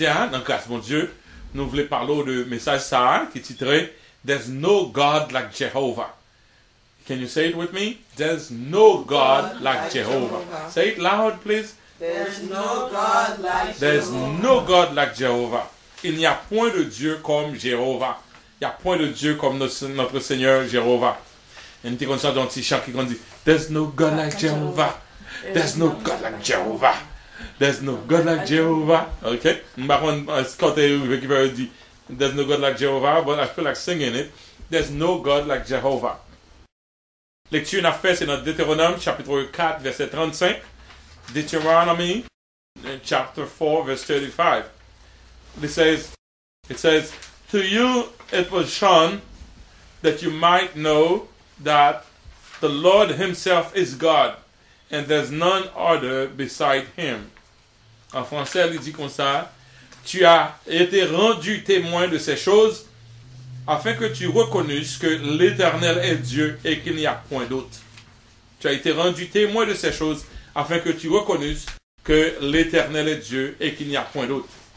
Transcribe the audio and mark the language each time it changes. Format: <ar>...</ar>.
<fr>Dans grâce mon Dieu, nous voulons parler de message ça qui titrait</fr> <en>There's no God like Jehovah. Can you say it with me? There's no God like Jehovah. Say it loud, please. There's no God like Jehovah. There's no God like Jehovah.</en> <fr>Il n'y a point de Dieu comme Jehovah. Il n'y a point de Dieu comme notre Seigneur Jehovah. Et nous avons un petit chant qui dit</fr> <en>There's no God like Jehovah. There's no God like Jehovah. There's no God like Jehovah. Okay? Baron Scotty River dit There's no God like Jehovah, but I feel like singing it. There's no God like Jehovah.</en> <fr>Lecture n'a fait, c'est dans Deutéronome, chapitre 4, verset 35.</fr> <en>Deutéronome, chapter 4, verse 35. It says, To you it was shown that you might know that the Lord Himself is God, and there's none other beside Him.</en> <fr>En français, il dit comme ça, tu as été rendu témoin de ces choses afin que tu reconnusses que l'Éternel est Dieu et qu'il n'y a point d'autre. Tu as été rendu témoin de ces choses afin que tu reconnusses que l'Éternel est Dieu et qu'il n'y a point d'autre.</fr>